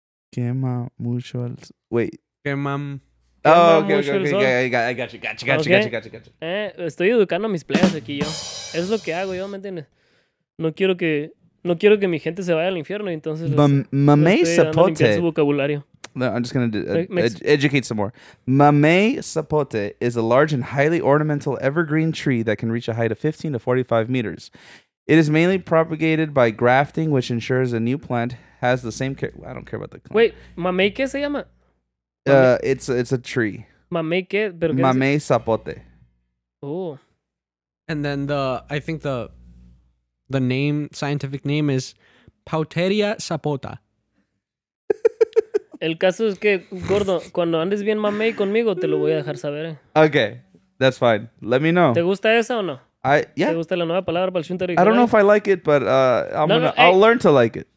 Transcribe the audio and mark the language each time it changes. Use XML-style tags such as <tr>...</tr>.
<es>Quema mucho el sol.</es> <en>Wait.</en> <es>Quemam.</es> <en>Oh, okay, okay, okay, I got you.</en> <es>Estoy educando a mis players aquí yo. Es lo que hago yo, ¿me entiendes? No quiero que mi gente se vaya al infierno, entonces. Mamey zapote. Su vocabulario.</es> <en>No, I'm just gonna educate some more. Mamey zapote is a large and highly ornamental evergreen tree that can reach a height of 15 to 45 meters. It is mainly propagated by grafting, which ensures a new plant has the same. I don't care about the. Clone. Wait,</en> <es>mamey qué se llama?</es> <en>It's a tree.</en> <es>Mamey qué? Pero mamey zapote. Oh.</es> <en>And then I think the name, scientific name is Pauteria zapota.</en> <es>El caso es que, gordo, cuando andes bien mamey conmigo, te lo voy a dejar saber.</es> <en>Okay, that's fine. Let me know.</en> <es>¿Te gusta esa o no? ¿Te gusta la nueva palabra para el Chuntaro?</es> <en>I don't know if I like it, but I'll learn to like it.</en>